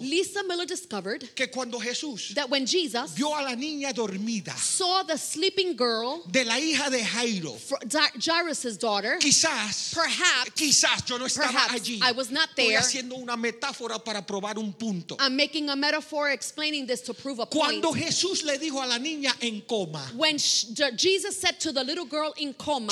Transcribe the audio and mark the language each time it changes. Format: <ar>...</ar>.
<en>Lisa Miller discovered</en> <es>que cuando Jesús</es> <en>that when Jesus</en> <es>vio a la niña dormida</es> <en>saw the sleeping girl</en> <es>de la hija de Jairo,</es> <en>Jairus' daughter,</en> <es>quizás,</es> <en>perhaps,</en> <es>quizás yo no estaba</es> <en>perhaps</en> <es>allí.</es> <en>I was not there.</en> <es>Estoy haciendo una metáfora para probar un punto.</es> <en>I'm making a metaphor explaining this to prove a point.</en> <es>Cuando Jesús le dijo a la niña en coma,</es> <en>when Jesus said to the little girl in coma,</en>